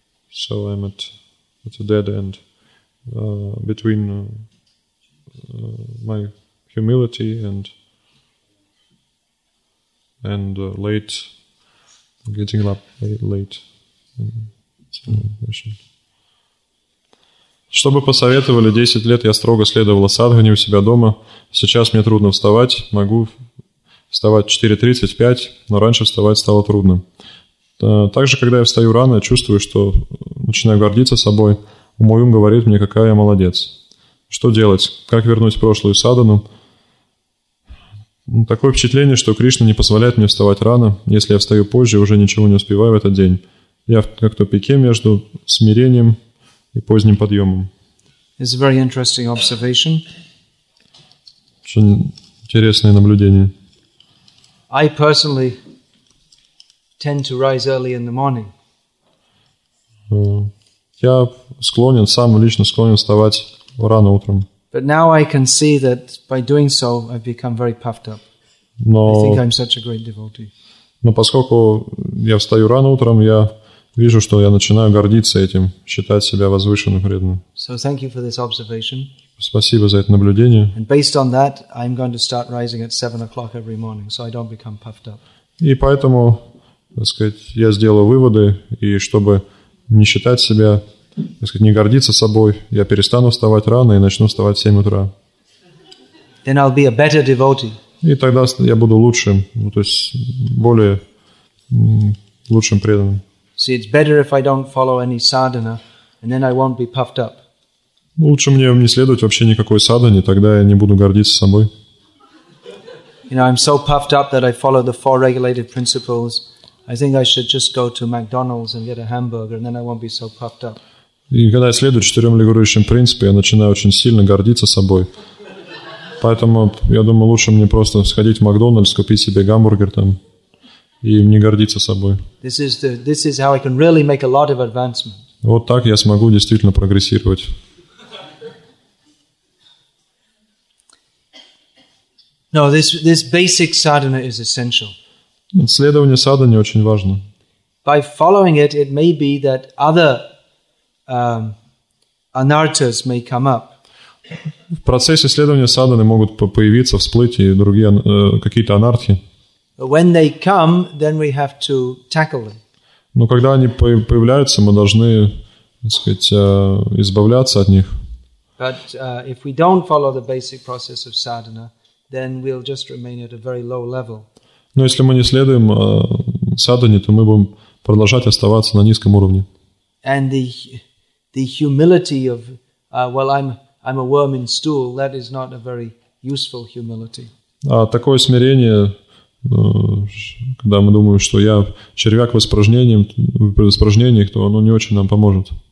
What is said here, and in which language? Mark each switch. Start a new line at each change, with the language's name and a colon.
English: So I'm at a dead end. Between my humility and late, getting up late.
Russian: Что бы посоветовали? 10 лет я строго следовала садхане у себя дома. Сейчас мне трудно вставать. Могу вставать 4:35, но раньше вставать стало трудно. Также, когда я встаю рано, я чувствую, что начинаю гордиться собой. Мой ум говорит мне, какая я молодец. Что делать? Как вернуть прошлую садхану? Такое впечатление, что Кришна не позволяет мне вставать рано. Если я встаю позже, уже ничего не успеваю в этот день. Я как в тупике между смирением и поздним подъемом.
English: It's a very interesting observation.
Russian: Очень интересное наблюдение.
English: I personally tend to rise early in the morning.
Russian: Я склонен, сам лично склонен вставать рано утром.
English: But now I can see that by doing so, I've become very puffed up.
Russian: Но,
English: I think I'm such a great devotee.
Russian: Но поскольку я встаю рано утром, я вижу, что я начинаю гордиться этим, считать себя возвышенным преданным.
English: So thank you for this observation.
Russian: Спасибо за это наблюдение.
English: And based on that, I'm going to start rising at 7 o'clock every morning, so I don't become puffed up.
Russian: И поэтому, так сказать, я сделаю выводы, и чтобы не считать себя, так сказать, не гордиться собой, я перестану вставать рано и начну вставать в 7 утра.
English: Then I'll be a better devotee.
Russian: И тогда я буду лучшим, ну, то есть более лучшим преданным.
English: See, it's better if I don't follow any sadhana, and then I won't be puffed up.
Russian: Лучше мне не следовать вообще никакой садхане, тогда я не буду гордиться собой.
English: You know, I'm so puffed up that I follow the 4 regulated principles. I think I should just go to McDonald's and get a hamburger, and then I won't be so puffed up.
Russian: И когда я следую 4 регулирующим принципам, я начинаю очень сильно гордиться собой. Поэтому я думаю, лучше мне просто сходить в Макдональдс, купить себе гамбургер там и не гордиться собой.
English: This is how I can really make a lot of advancement.
Russian: Вот так я смогу действительно прогрессировать.
English: No, this basic sadhana is essential.
Russian: Следование садхане очень важно.
English: By following it, it may be that other anarthas may come up.
Russian: В процессе следования садхане могут появиться, всплыть и другие какие-то анархи.
English: When they come, then we have to tackle them.
Russian: Но когда они появляются, мы должны, так сказать, избавляться от них.
English: But if we don't follow the basic process of sadhana, then we'll just remain at a very low level.
Russian: Но если мы не следуем садхане, то мы будем продолжать оставаться на низком уровне.
English: And the humility of well, I'm a worm in stool, that is not a very useful humility.
Russian: А такое смирение, когда мы думаем, что я червяк в испражнениях, то оно не очень нам поможет.